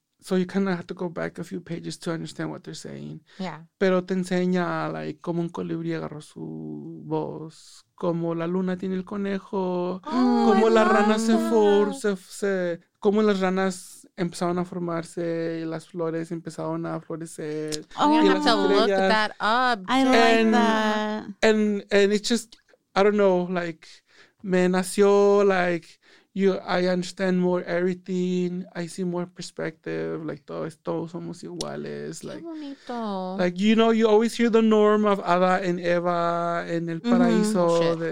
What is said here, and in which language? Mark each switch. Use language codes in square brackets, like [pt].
[en] So you kind of have to go back a few pages to understand what they're saying. Yeah. [es] Pero te enseña, like, cómo un colibrí agarró su voz, cómo la luna tiene el conejo, cómo la rana se cómo las ranas empezaron a formarse, y las flores empezaron a florecer. [en] Oh, you have to look that up. I like that. And it's just, I don't know, like, [es] me nació, [en] like, I understand more everything. I see more perspective. Like, [es] todos somos iguales. [en] Like, [es] qué bonito. [en] Like, you know, you always hear the norm of Ada and Eva and El Paraíso.